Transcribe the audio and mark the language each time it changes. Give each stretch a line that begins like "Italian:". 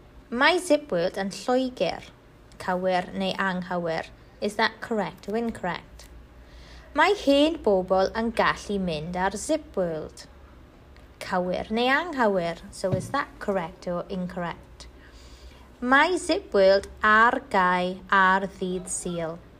Welsh: Mae Zip World yn Lloegr, cywir neu anghywir.
English: Is that correct or incorrect?
Welsh: Mae hen bobl yn gallu mynd ar Zip World. Cywir neu anghywir.
English: So is that correct or incorrect?
Welsh: Mae Zip World ar gau ar ddydd Sul.